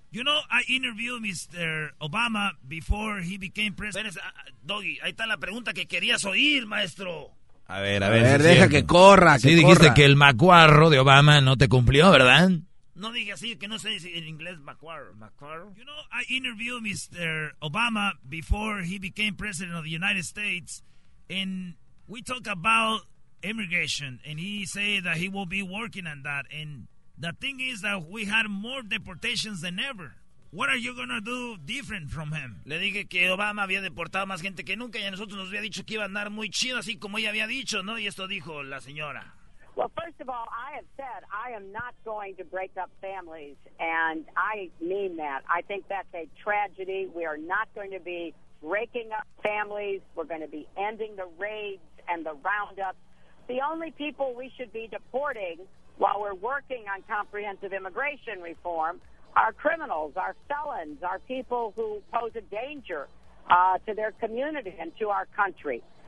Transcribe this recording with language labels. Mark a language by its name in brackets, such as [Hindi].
[English] You know, I interviewed Mr. Obama before he became president. [Spanish] Doggy, ahí está la pregunta que querías oír, maestro. A ver, deja cierto. Que corra. Sí, que dijiste corra. Que el macuarro de Obama no te cumplió, ¿verdad? No dije así, que no sé si en inglés macuarro. [English] Macuarro. You know, I interviewed Mr. Obama before he became president of the United States. And we talk about immigration, and he said that he will be working on that. And the thing is that we had more deportations than ever. What are you gonna do different from him? [Spanish] Le dije que Obama había deportado más gente que nunca, y a nosotros nos había dicho que iba a andar muy chido, así como ella había dicho, ¿no? Y esto dijo la señora. [English] Well, first of all, I have said I am not going to break up families, and I mean that. I think that's a tragedy. We are not going to be breaking up families. We're going to be ending the raids and the roundups. The only people we should be deporting while we're working on comprehensive immigration reform are criminals, are felons, are people who pose a danger to their community and to our country.